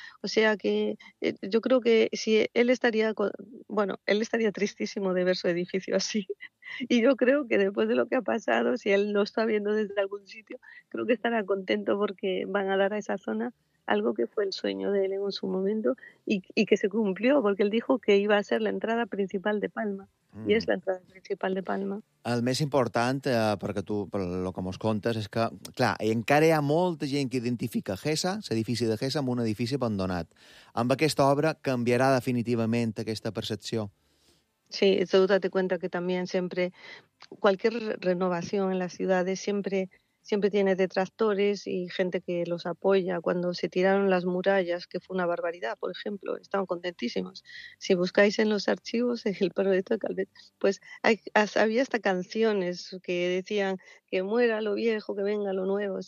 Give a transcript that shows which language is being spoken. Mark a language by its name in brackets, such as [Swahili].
[Spanish] O sea que yo creo que si él estaría, él estaría tristísimo de ver su edificio así. Y yo creo que después de lo que ha pasado, si él lo está viendo desde algún sitio, creo que estará contento porque van a dar a esa zona algo que fue el sueño de él en su momento y que se cumplió, porque él dijo que iba a ser la entrada principal de Palma. [Catalan] Mm. I és l'entrada principal de Palma. El més important, perquè tu el que mos contes, és que, clar, encara hi ha molta gent que identifica Gesa, l'edifici de Gesa, amb un edifici abandonat. Amb aquesta obra canviarà definitivament aquesta percepció? [Spanish] Sí, tu date cuenta que [Catalan] també sempre... Qualquer renovació en les ciutats sempre... [Spanish] Siempre tiene detractores y gente que los apoya. Cuando se tiraron las murallas, que fue una barbaridad, por ejemplo, estaban contentísimos. Si buscáis en los archivos, en el proyecto de Calvet, pues había hasta canciones que decían que muera lo viejo, que venga lo nuevo.